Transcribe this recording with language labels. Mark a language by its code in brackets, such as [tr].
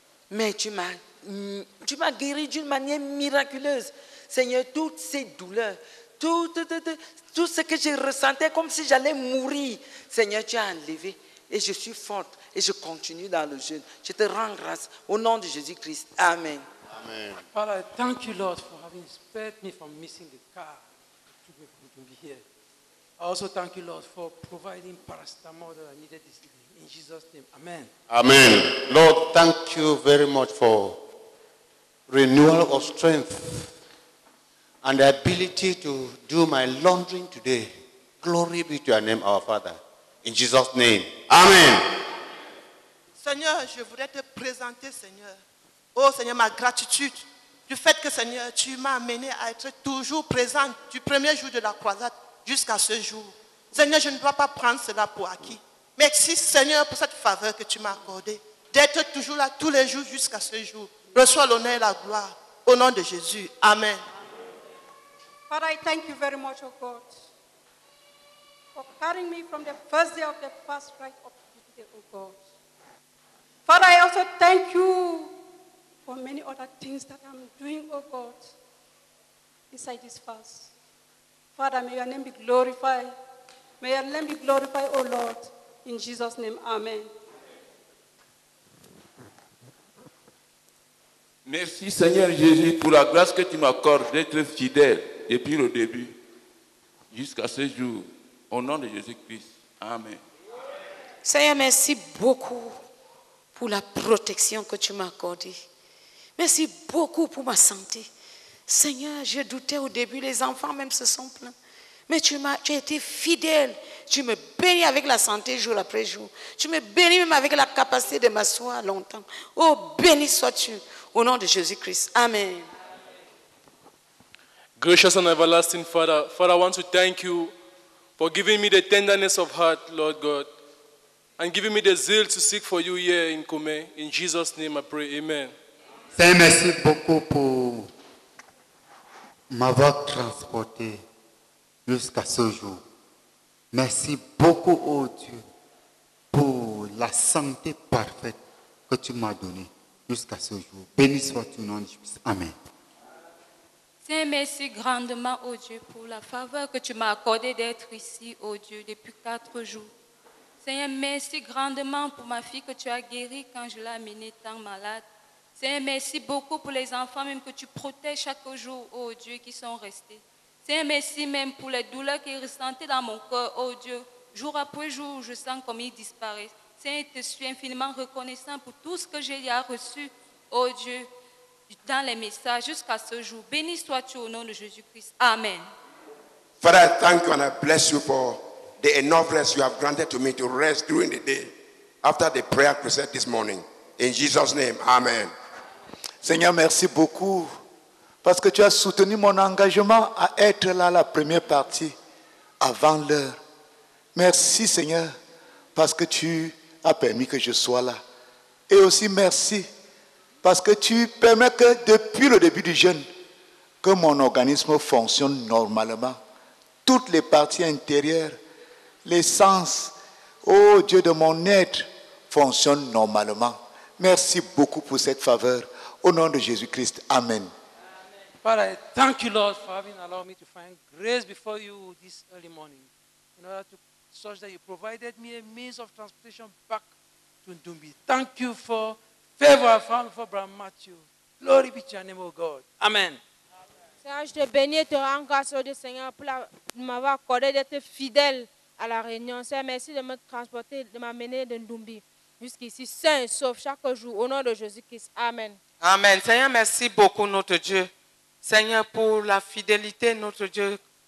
[fr] Mais tu m'as guéri d'une manière miraculeuse. Seigneur, toutes ces douleurs, tout ce que je ressentais comme si j'allais mourir, Seigneur, tu as enlevé et je suis forte et je continue dans le jeûne. Je te rends grâce au nom de Jésus-Christ. Amen. [en] Father, thank you, Lord, for having spared me from missing the car to be here. I also thank you, Lord, for providing paracetamol that I needed this evening. In Jesus' name, amen. Amen. Lord, thank you very much for renewal of strength and the ability to do my laundry today. Glory be to your name, our Father. In Jesus' name, amen. [fr] Seigneur, je voudrais te présenter, Seigneur. Oh Seigneur, ma gratitude du fait que Seigneur, tu m'as amené à être toujours présente du premier jour de la croisade jusqu'à ce jour. Seigneur, je ne dois pas prendre cela pour acquis. Merci Seigneur pour cette faveur que tu m'as accordée d'être toujours là tous les jours jusqu'à ce jour. Reçois l'honneur et la gloire au nom de Jésus. Amen. [en] Father, I thank you very much, oh God, for carrying me from the first day of the first rite of the day, oh God. Father, I also thank you for many other things that I'm doing, oh God, inside this fast. Father, may your name be glorified. May your name be glorified, oh Lord, in Jesus' name, amen. [fr] Merci, Seigneur Jésus, pour la grâce que tu m'accordes d'être fidèle depuis le début jusqu'à ce jour, au nom de Jésus-Christ, amen. Seigneur, merci beaucoup pour la protection que tu m'as accordée. Merci beaucoup pour ma santé. Seigneur, je doutais au début, les enfants même se sont plaints. Mais tu as été fidèle. Tu me bénis avec la santé jour après jour. Tu me bénis même avec la capacité de m'asseoir longtemps. Oh, béni sois-tu Au nom de Jésus-Christ. Amen. [en] Gracious and everlasting Father, Father, I want to thank you for giving me the tenderness of heart, Lord God, and giving me the zeal to seek for you here in Kome. In Jesus' name I pray. Amen. [fr] Saint, merci beaucoup pour m'avoir transporté jusqu'à ce jour. Merci beaucoup, ô Dieu, pour la santé parfaite que tu m'as donnée jusqu'à ce jour. Béni soit ton nom, Jésus. Amen. Saint, merci grandement, ô Dieu, pour la faveur que tu m'as accordée d'être ici, ô Dieu, depuis 4 jours. Saint, merci grandement pour ma fille que tu as guérie quand je l'ai amenée tant malade. Seigneur, merci beaucoup pour les enfants même que tu protèges chaque jour, ô Dieu, qui sont restés. Seigneur, merci même pour les douleurs qu'ils ressentaient dans mon cœur, ô Dieu. Jour après jour, je sens comme ils disparaissent. Seigneur, je te suis infiniment reconnaissant pour tout ce que j'ai reçu, ô Dieu, dans les messages jusqu'à ce jour. Béni sois-tu au nom de Jésus-Christ. Amen. [en] Father, I thank you and I bless you for the enoughness you have granted to me to rest during the day after the prayer crusade this morning. In Jesus' name, amen. [fr] Seigneur, merci beaucoup parce que tu as soutenu mon engagement à être là la première partie avant l'heure. Merci, Seigneur, parce que tu as permis que je sois là. Et aussi merci parce que tu permets que depuis le début du jeûne, que mon organisme fonctionne normalement. Toutes les parties intérieures, les sens, ô Dieu de mon être, fonctionnent normalement. Merci beaucoup pour cette faveur. Au nom de Jésus-Christ, amen. [en] Father, thank you, Lord, for having allowed me to find grace before you this early morning, in order to such that you provided me a means of transportation back to Ndumbi. Thank you for favor I found for Brother Mathew. Glory be to your name, O God. Amen. [fr] Seigneur, je te bénis et te rends grâce au Seigneur pour m'avoir accordé d'être fidèle à la réunion. Seigneur, merci de me transporter, de m'amener de Ndumbi. Jusqu'ici, saint, sauf chaque jour, au nom de Jésus-Christ. Amen. Amen. Seigneur, merci beaucoup, notre Dieu. Seigneur, pour la fidélité, notre Dieu.